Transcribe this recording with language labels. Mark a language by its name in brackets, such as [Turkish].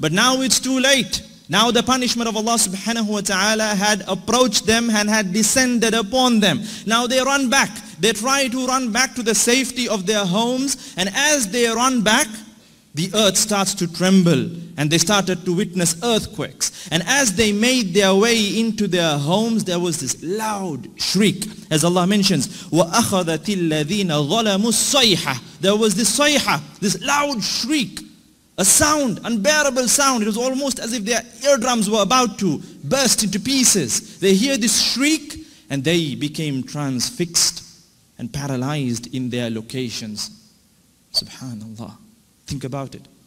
[English] But now it's too late. Now the punishment of Allah subhanahu wa ta'ala had approached them and had descended upon them. Now they run back. They try to run back to the safety of their homes. And as they run back, the earth starts to tremble. And they started to witness earthquakes. And as they made their way into their homes, there was this loud shriek. As Allah mentions, [Arabic] وَأَخَذَتِ الَّذِينَ ظَلَمُوا الصَّيْحَةَ. [English] There was this صَيْحَةَ, this loud shriek. A sound, unbearable sound. It was almost as if their eardrums were about to burst into pieces. They hear this shriek and they became transfixed and paralyzed in their locations. Subhanallah. Think about it.